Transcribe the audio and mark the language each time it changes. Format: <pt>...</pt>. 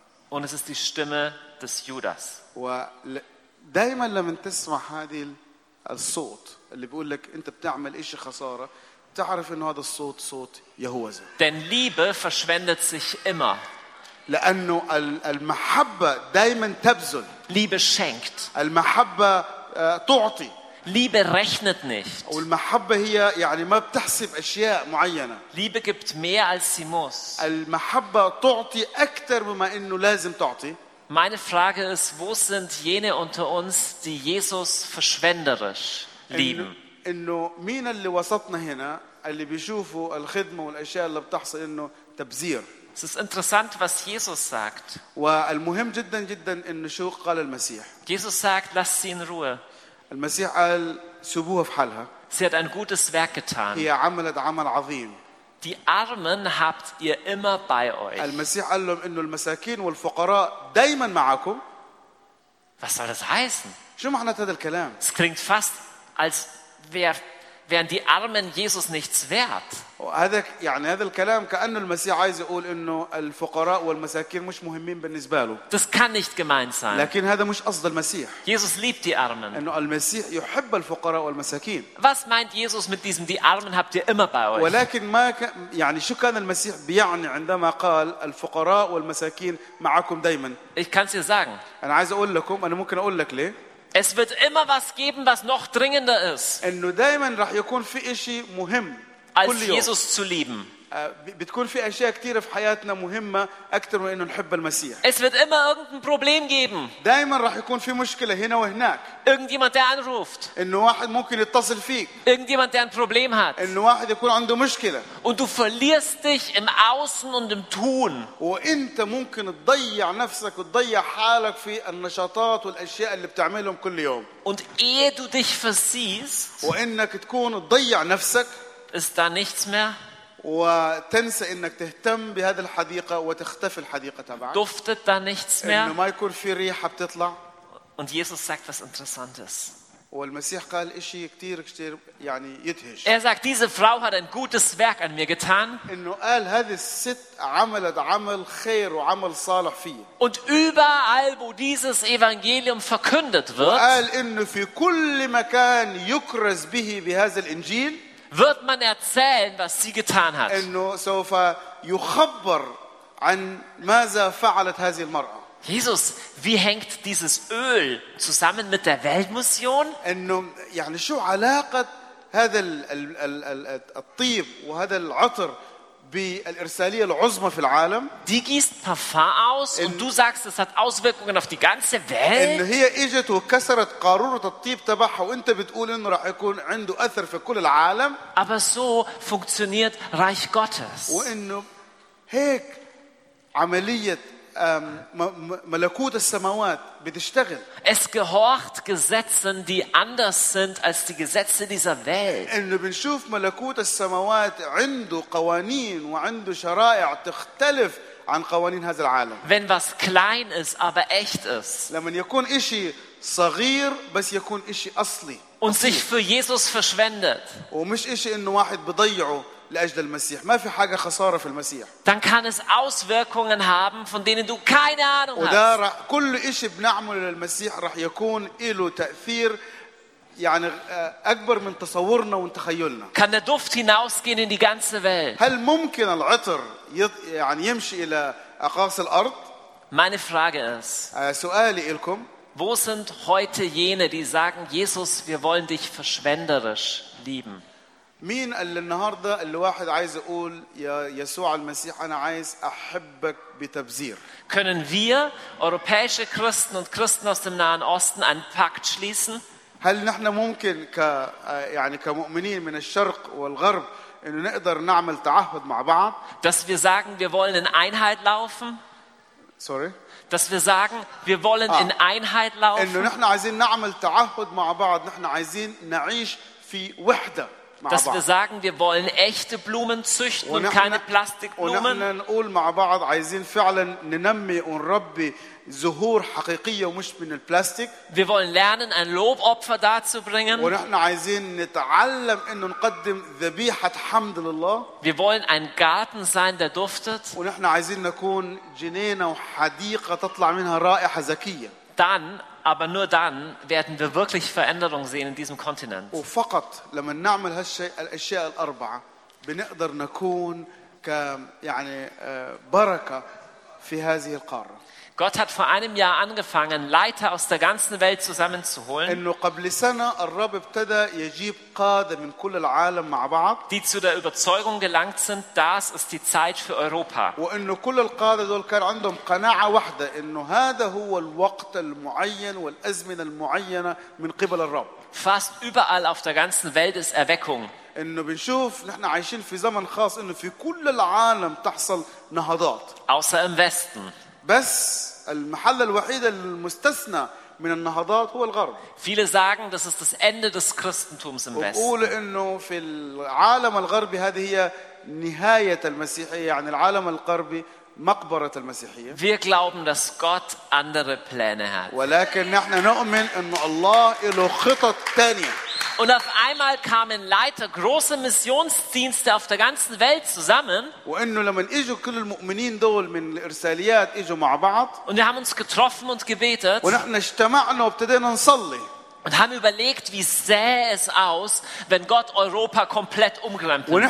<de>Und es ist die Stimme des Judas.</de> <ar>ودائما لما تسمع هذه الصوت اللي بيقول لك انت بتعمل شيء خساره تعرف انه هذا الصوت صوت يهوذا.</ar> <de>Denn Liebe verschwendet sich immer.</de> <ar>لانه المحبه دائما تبذل.</ar> <de>Liebe schenkt.</de> <ar>المحبه تعطي.</ar> <de>Liebe rechnet nicht.</de> <ar>والمحبة هي يعني ما بتحسب أشياء معينة.</ar> <de>Liebe gibt mehr als sie muss.</de> <ar>المحبة تعطي أكثر مما إنه لازم تعطي.</ar> <de>Meine Frage ist, wo sind jene unter uns, die Jesus verschwenderisch lieben?</de> <ar>إنه مين اللي وسطنا هنا اللي بيشوفوا الخدمة والأشياء اللي بتحصل إنه تبذير.</ar> <de>Es ist interessant, was Jesus sagt.</de> <ar>والمهم جدا جدا إنه شو قال المسيح.</ar> <de>Jesus sagt, lass sie in Ruhe.</de> <ar>المسيح قال سبوها في حالها.</ar> <de>Sie hat ein gutes Werk getan.</de> <ar>هي عملت عمل عظيم.</ar> <de>Die Armen habt ihr immer bei euch.</de> <ar>المسيح قال لهم إنه المساكين والفقراء دائما معكم.</ar> <de>Was soll das heißen?</de> <ar>شو معنى هذا الكلام?</ar> <de>Es klingt fast, als wären die Armen Jesus nichts wert.</de> <ar>وهذا يعني هذا الكلام كأنه المسيح عايز يقول إنه الفقراء والمساكين مش مهمين بالنسبة له.</ar> <de>Das kann nicht gemeint sein.</de> <ar>لكن هذا مش قصد المسيح.</ar> <de>Jesus liebt die Armen.</de> <ar>إنه المسيح يحب الفقراء والمساكين.</ar> <de>Was meint Jesus mit diesem die Armen habt ihr immer bei euch?</de> <ar>ولكن ما يعني شو كان المسيح بيعني عندما قال الفقراء والمساكين معكم دائما؟</ar> <de>Ich kann's dir sagen.</de> <ar>أنا عايز أقول لكم أنا ممكن أقول لك ليه.</ar> <de>Es wird immer was geben, was noch dringender ist.</de> <ar>إنه دائما راح يكون في إشي مهم.</ar> <de>Als Jesus zu lieben.</de> <ar>بتكون في أشياء كتيرة في حياتنا مهمة أكثر من إنه نحب المسيح.</ar> <de>Es wird immer irgendein Problem geben.</de> <ar>دائما راح يكون في مشكلة هنا وهناك.</ar> <de>Irgendjemand der anruft.</de> <ar>إنه واحد ممكن يتصل فيك.</ar> <de>Irgendjemand der ein Problem hat.</de> <ar>إنه واحد يكون عنده مشكلة.</ar> <de>Und du verlierst dich im Außen und im Tun.</de> <ar>وأنت ممكن تضيع نفسك وتضيع حالك في النشاطات والأشياء اللي بتعملهم كل يوم.</ar> <de>Und ehe du dich versiehst.</de> <ar>وإنك تكون تضيع نفسك.</ar> <de>Ist da nichts mehr?</de> <ar>وتنسى إنك تهتم بهذه الحديقة وتختفي الحديقة تبعك.</ar> <de>Duftet da nichts mehr?</de> <ar>إنه ما يكون في ريحة بتطلع.</ar> <de>Und Jesus sagt was Interessantes.</de> <ar>والمسيح قال إشي كتير كتير يعني يدهش.</ar> <de>Er sagt, diese Frau hat ein gutes Werk an mir getan.</de> <ar>إنه قال هذه الست عملت عمل خير وعمل صالح فيه.</ar> <de>Und überall, wo dieses Evangelium verkündet wird.</de> <ar>وقال إنه في كل مكان يكرز به بهذا الإنجيل.</ar> <de>Wird man erzählen, was sie getan hat?</de> <ar>إنه سوف يخبر عن ماذا فعلت هذه المرأة.</ar> <de>Jesus, wie hängt dieses Öl zusammen mit der Weltmission?</de> <ar>إنه يعني شو علاقة هذا الطيب وهذا العطر بالإرسالية العظمى في العالم؟</ar> <de>Die gießt Parfum aus und du sagst, es hat Auswirkungen auf die ganze Welt?</de> <ar>إنه هي إجت وكسرت قارورة الطيب تبعها وأنت بتقول إنه راح يكون عنده أثر في كل العالم؟</ar> <de>Aber so funktioniert Reich Gottes.</de> <ar>وإنه هيك عملية ملكوت السماوات بتشتغل.</ar> <de>Es gehorcht Gesetzen, die anders sind als die Gesetze dieser Welt.</de> <ar>إنه بنشوف ملكوت السماوات عنده قوانين وعنده شرائع تختلف عن قوانين هذا العالم.</ar> <de>Wenn was klein ist, aber echt ist.</de> <ar>لما يكون إشي صغير بس يكون إشي أصلي.</ar> <de>Und sich für Jesus verschwendet.</de> <ar>ومش إشي إنه واحد بضيعه. لأجل المسيح ما في حاجة خسارة في المسيح.</ar> <de>Dann kann es Auswirkungen haben, von denen du keine Ahnung hast.</de> <ar>وده كل إشي بنعمله للمسيح رح يكون إله تأثير يعني أكبر من تصورنا وتخيلنا.</ar> <de>Kann der Duft hinausgehen in die ganze Welt?</de> <ar>هل ممكن العطر يعني يمشي إلى أقاصي الأرض؟</ar> <de>Meine Frage ist.</de> <ar>سؤالي إلكم.</ar> <de>Wo sind heute jene, die sagen, Jesus, wir wollen dich verschwenderisch lieben?</de> <ar>مين اللي النهاردة اللي واحد عايز يقول يا يسوع المسيح أنا عايز أحبك بتبذير؟</ar> <de>Können wir europäische Christen und Christen aus dem Nahen Osten einen Pakt schließen?</de> <ar>هل نحن ممكن ك يعني كمؤمنين من الشرق والغرب إنه نقدر نعمل تعهد مع بعض؟</ar> <de>Dass wir sagen, wir wollen in Einheit laufen.</de> <en>Sorry.</en> <de>Dass wir sagen, wir wollen in Einheit laufen.</de> <ar>إنه نحن عايزين نعمل تعهد مع بعض. نحن عايزين نعيش في وحدة.</ar> <de>Dass wir sagen, wir wollen echte Blumen züchten und keine Plastikblumen.</de> <ar>ونحن نقول مع بعض عايزين فعلا ننمي ونربي زهور حقيقية ومش من البلاستيك.</ar> <de>Wir wollen lernen, ein Lobopfer darzubringen.</de> <ar>ونحن عايزين نتعلم إنه نقدم ذبيحة حمد لله.</ar> <de>Wir wollen ein Garten sein, der duftet.</de> <ar>ونحن عايزين نكون جنينة وحديقة تطلع منها رائحة زكية.</ar> <de>Dann aber nur dann werden wir wirklich Veränderung sehen in diesem Kontinent.</de> <ar>وفقط لما نعمل هالشيء الأشياء الأربعة بنقدر نكون كيعني بركة في هذه القارة.</ar> <de>Gott hat vor einem Jahr angefangen, Leiter aus der ganzen Welt zusammenzuholen.</de> <ar>إنه قبل سنة الرب ابتدى يجيب قادة من كل العالم مع بعض.</ar> <de>Die zu der Überzeugung gelangt sind, das ist die Zeit für Europa.</de> <ar>وإنه كل القادة دول كان عندهم قناعة واحدة إنه هذا هو الوقت المعين والأزمنة المعينة من قبل الرب.</ar> <de>Fast überall auf der ganzen Welt ist Erweckung.</de> <ar>إنه بنشوف نحن عايشين في زمن خاص إنه في كل العالم تحصل نهضات.</ar> <de>Außer im Westen.</de> <ar>بس المحل الوحيد المستثنى من النهضات هو الغرب.</ar> <de>Viele sagen, das ist das Ende des Christentums im Westen.</de> <ar>وبقول إنه في العالم الغربي هذه هي نهاية المسيحية يعني العالم الغربي مقبرة المسيحية.</ar> <de>Wir glauben, dass Gott andere Pläne hat.</de> <ar>ولكن نحن نؤمن إنه الله له خطط تانية.</ar> <de>Und auf einmal kamen Leiter, große Missionsdienste auf der ganzen Welt zusammen. Und wir haben uns getroffen und gebetet. Und haben überlegt, wie sähe es aus, wenn Gott Europa komplett umkrempeln</de>